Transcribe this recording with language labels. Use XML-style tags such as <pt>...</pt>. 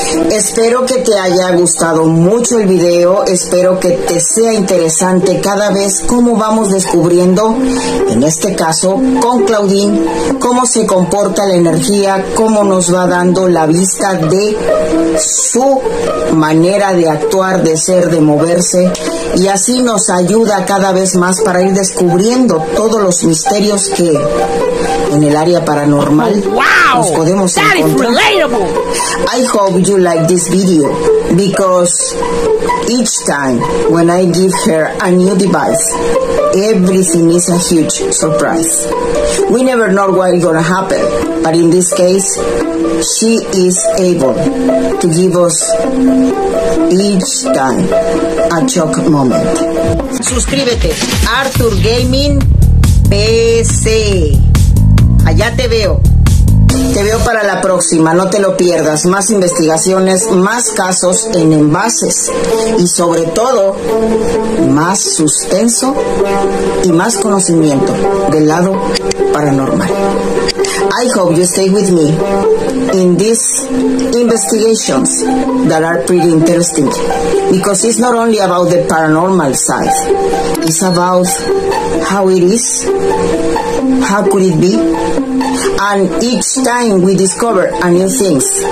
<es>Espero que te haya gustado mucho el video, espero que te sea interesante cada vez cómo vamos descubriendo, en este caso con Claudine, cómo se comporta la energía, cómo nos va dando la vista de su manera de actuar, de ser, de moverse, y así nos ayuda cada vez más para ir descubriendo todos los misterios que en el área paranormal nos podemos encontrar.</es> <en>I hope you like this video, because each time when I give her a new device, everything is a huge surprise. We never know what is going to happen, but in this case, she is able to give us each time a shock moment.</en> <es>Suscríbete, Arthur Gaming PC. Allá te veo. Te veo para la próxima, no te lo pierdas. Más investigaciones, más casos en envases. Y sobre todo, más suspenso y más conocimiento del lado paranormal.</es> <en>I hope you stay with me in these investigations that are pretty interesting. Because it's not only about the paranormal side. It's about how it is, how could it be, and each time we discover a new things.</en>